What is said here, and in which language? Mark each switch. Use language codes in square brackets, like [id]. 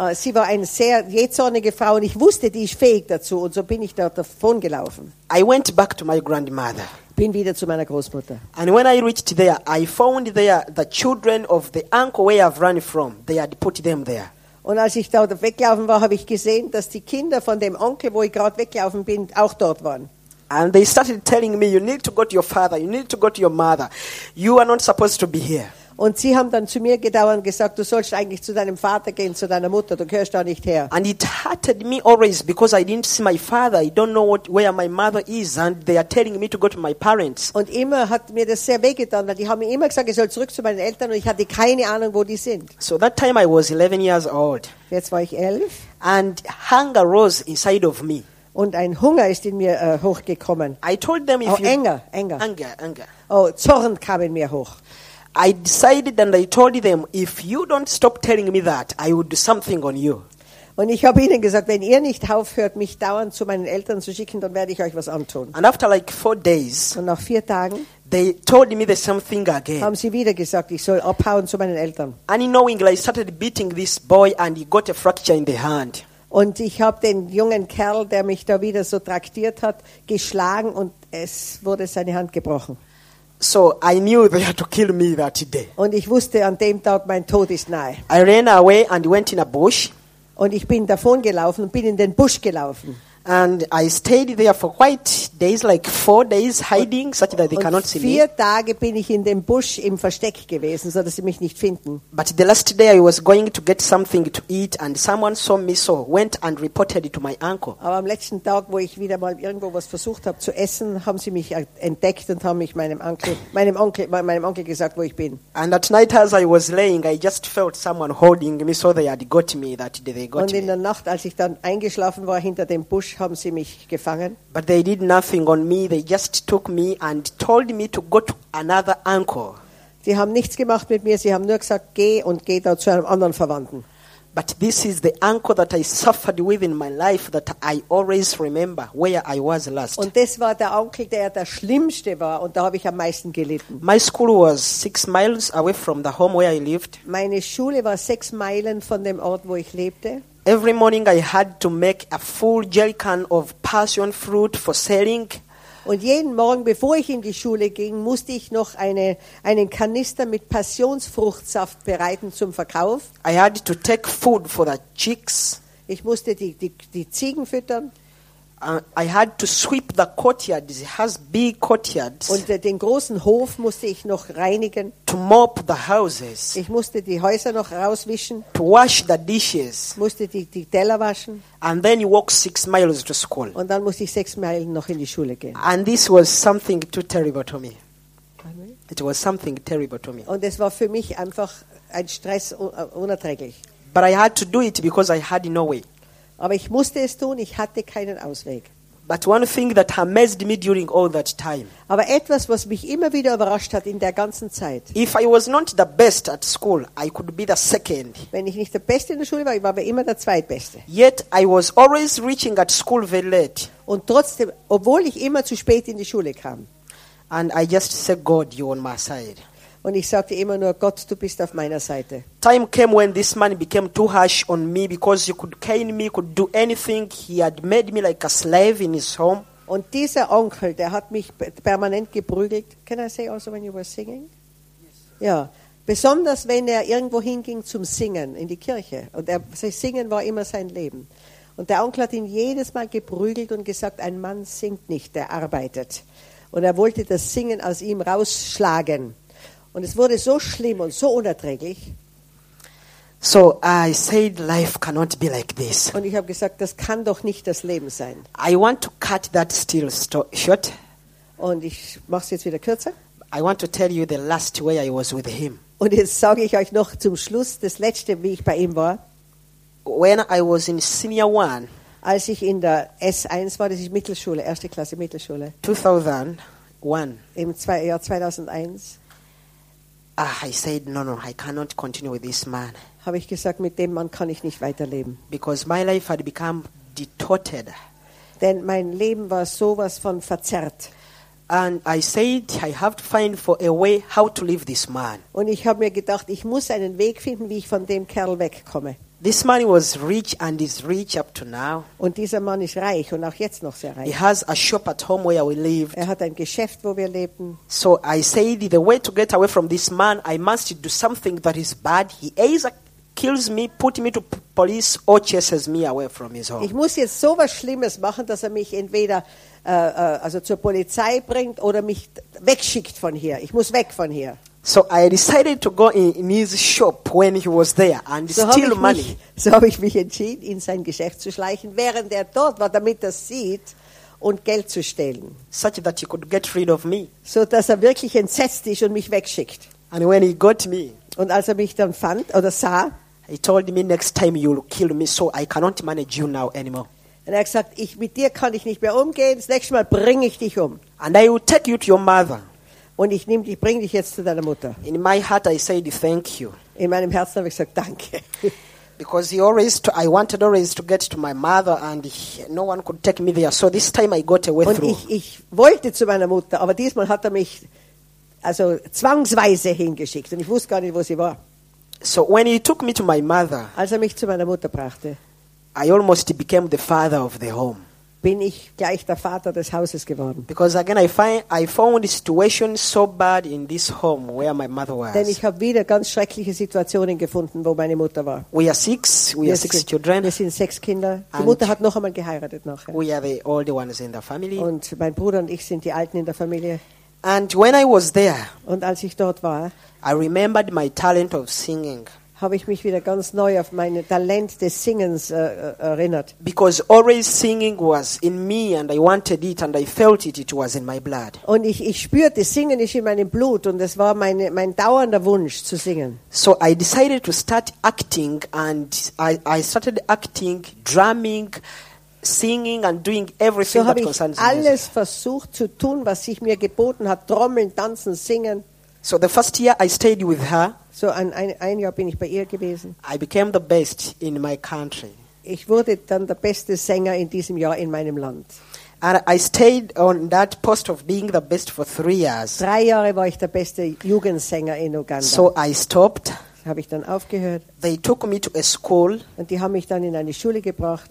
[de] Sie war eine sehr jähzornige Frau und ich wusste, die ist fähig dazu, und so bin ich dort davon gelaufen. [en] I went back to my grandmother. [de] Bin wieder zu meiner Großmutter. [en] And when I reached there, I found there the children of the uncle where I've run from. They had put them there. [de] Und als ich dort weglaufen war, habe ich gesehen, dass die Kinder von dem Onkel, wo ich gerade weggelaufen bin, auch dort waren. [en] And they started telling me, you need to go to your father, you need to go to your mother. You are not supposed to be here. [de] Und sie haben dann zu mir gedauert und gesagt, du sollst eigentlich zu deinem Vater gehen, zu deiner Mutter, du gehörst da nicht her. [en] And it hurted me always because I didn't see my father. I don't know where my mother is and they are telling me to go to my parents. [de] Und immer hat mir das sehr weh getan, weil die haben mir immer gesagt, ich soll zurück zu meinen Eltern und ich hatte keine Ahnung, wo die sind. [en] So that time I was 11 years old. [de] Jetzt war ich 11. [en] And hunger rose inside of me. [de] Und ein Hunger ist in mir hochgekommen. [en] I told them if Anger. [de] Oh, Zorn kam in mir hoch. [en] I decided and I told them, if you don't stop telling me that, I would do something on you. [de] Und ich habe ihnen gesagt, wenn ihr nicht aufhört, mich dauernd zu meinen Eltern zu schicken, dann werde ich euch was antun. [en] And after like 4 days, [de] und nach 4 Tagen, [en] they told me the same thing again. [de] Haben sie wieder gesagt, ich soll abhauen zu meinen Eltern. [en] Unknowingly, I started beating this boy and he got a fracture in the hand. [de] Und ich habe den jungen Kerl, der mich da wieder so traktiert hat, geschlagen und es wurde seine Hand gebrochen. [en] So I knew they had to kill me that day. [de] Und ich wusste an dem Tag, mein Tod ist nahe. [en] I ran away and went in a bush. [de] Und ich bin davon gelaufen und bin in den Busch gelaufen. [en] And I stayed there for quite days, like 4 days, hiding such that they cannot see me. [de] 4 Tage bin ich in dem Busch im Versteck gewesen, so dass sie mich nicht finden. [en] But the last day I was going to get something to eat and someone saw me, so went and reported it to my uncle. [de] Aber am letzten Tag, wo ich wieder mal irgendwo was versucht habe zu essen, haben sie mich entdeckt und haben mich meinem Onkel gesagt, wo ich bin. [en] And at night as I was laying, I just felt someone holding me, so they had got me that day. [de] Und in der Nacht, als ich dann eingeschlafen war hinter dem Busch, haben sie mich gefangen. [en] But they did nothing on me. They just took me and told me to go to another uncle. [de] Sie haben nichts gemacht mit mir. Sie haben nur gesagt, geh da zu einem anderen Verwandten. [en] But this is the uncle that I suffered with in my life that I always remember where I was last. [de] Und das war der Onkel, der schlimmste war und da habe ich am meisten gelitten. [en] My school was 6 miles away from the home where I lived. [de] Meine Schule war 6 Meilen von dem Ort, wo ich lebte. [en] Every morning I had to make a full jerrycan of passion fruit for selling. [de] Und jeden Morgen, bevor ich in die Schule ging, musste ich noch einen Kanister mit Passionsfruchtsaft bereiten zum Verkauf. [en] I had to take food for the chicks. [de] Ich musste die Ziegen füttern. [en] I had to sweep the courtyard. It has big courtyards. [de] Und den großen Hof musste ich noch reinigen. [en] To mop the houses. [de] Ich musste die Häuser noch rauswischen. [en] To wash the dishes. [de] Musste die Teller waschen. [en] And then you walk 6 miles to school. [de] Und dann musste ich 6 Meilen noch in die Schule gehen. [en] And this was something too terrible to me. It was something terrible to me. [de] Und es war für mich einfach ein Stress unerträglich. [en] But I had to do it because I had no way. [de] Aber ich musste es tun, ich hatte keinen Ausweg. [en] But one thing that amazed me during all that time. [de] Aber etwas, was mich immer wieder überrascht hat in der ganzen Zeit. [en] If I was not the best at school, I could be the second. [de] Wenn ich nicht der Beste in der Schule war, ich war aber immer der Zweitbeste. [en] Yet I was always reaching at school very late. [de] Und trotzdem, obwohl ich immer zu spät in die Schule kam. [en] And I just said, God, you're on my side. [de] Und ich sagte immer nur, Gott, du bist auf meiner Seite. [en] Time came when this man became too harsh on me because he could cane me, could do anything. He had made me like a slave in his home. [de] Und dieser Onkel, der hat mich permanent geprügelt. [en] Can I say also when you were singing? Yes. [de] Ja, besonders wenn er irgendwo hinging zum Singen in die Kirche. Und Singen war immer sein Leben. Und der Onkel hat ihn jedes Mal geprügelt und gesagt, ein Mann singt nicht, der arbeitet. Und er wollte das Singen aus ihm rausschlagen. Und es wurde so schlimm und so unerträglich. [en] So I said, life cannot be like this. [de] Und ich habe gesagt, das kann doch nicht das Leben sein. [en] I want to cut that steel short. [de] Und ich mache es jetzt wieder kürzer. [en] I want to tell you the last way I was with him. [de] Und jetzt sage ich euch noch zum Schluss das letzte, wie ich bei ihm war. [en] When I was in senior one. [de] Als ich in der S1 war, das ist Mittelschule, erste Klasse Mittelschule. [en] 2001. [de] Im Jahr 2001. [en] I said, no, I cannot continue with this man. [de] Habe ich gesagt, mit dem Mann kann ich nicht weiterleben. [en] Because my life had become distorted. [de] Denn mein Leben war sowas von verzerrt. [en] And I said, I have to find for a way how to leave this man. [de] Und ich habe mir gedacht, ich muss einen Weg finden, wie ich von dem Kerl wegkomme. [en] This man was rich and is rich up to now. [de] Und dieser Mann ist reich und auch jetzt noch sehr reich. [en] He has a shop at home where we live. [de] Er hat ein Geschäft, wo wir leben. [en] So I said, the way to get away from this man, I must do something that is bad. He is a kills me, put me to police or chases me away from his home. [de] Ich muss jetzt so was Schlimmes machen, dass er mich entweder also zur Polizei bringt oder mich wegschickt von hier. Ich muss weg von hier. [en] So I decided to go in his shop when he was there and so steal money. [de] So habe ich mich entschieden, in sein Geschäft zu schleichen, während er dort war, damit er sieht und Geld zu stehlen. [en] Such that he could get rid of me. [de] So dass er wirklich entsetzt ist und mich wegschickt. [en] And when he got me, [de] und als er mich dann fand oder sah, [en] he told me next time you'll kill me, so I cannot manage you now anymore. [de] Und er hat gesagt, ich mit dir kann ich nicht mehr umgehen. Das nächste Mal bringe ich dich um. [en] And I will take you to your mother. [de] Und ich nehme dich, bring dich jetzt zu deiner Mutter. [en] In my heart I said thank you. [de] In meinem Herzen habe ich gesagt danke. [en] Because he always I wanted always to get to my mother and no one could take me there. So this time I got a way through. [de] Und ich wollte zu meiner Mutter, aber diesmal hat er mich also zwangsweise hingeschickt und ich wusste gar nicht, wo sie war. [en] So when he took me to my mother, [de] als er mich zu meiner Mutter brachte, [en] I almost became the father of the home. [de] Bin ich gleich der Vater des Hauses geworden. [en] Because again I found the situation so bad in this home where my mother was. [de] Denn ich habe wieder ganz schreckliche Situationen gefunden, wo meine Mutter war. [en] We are six children. [de] Wir sind sechs Kinder. Die and Mutter hat noch einmal geheiratet nachher. [en] We are the older ones in the family. [de] Und mein Bruder und ich sind die Alten in der Familie. [en] And when I was there, [de] und als ich dort war, [en] I remembered my talent of singing. [de] Habe ich mich wieder ganz neu auf mein Talent des Singens erinnert. [en] Because always singing was in me and I wanted it and I felt it, it was in my blood. [de] Und ich spürte, Singen ist in meinem Blut und es war mein dauernder Wunsch zu singen. [en] So I decided to start acting and I started acting, drumming, singing and doing everything so that concerns music. [de] So habe ich alles versucht zu tun, was sich mir geboten hat, trommeln, tanzen, singen. [en] So the first year I stayed with her. [de] So ein Jahr bin ich bei ihr gewesen. [en] I became the best in my country. [de] Ich wurde dann der beste Sänger in diesem Jahr in meinem Land. [en] And I stayed on that post of being the best for 3 years. [de] 3 Jahre war ich der beste Jugendsänger in Uganda. [en] So I stopped. [de] Habe ich dann aufgehört. [en] They took me to a school. [de] Und die haben mich dann in eine Schule gebracht.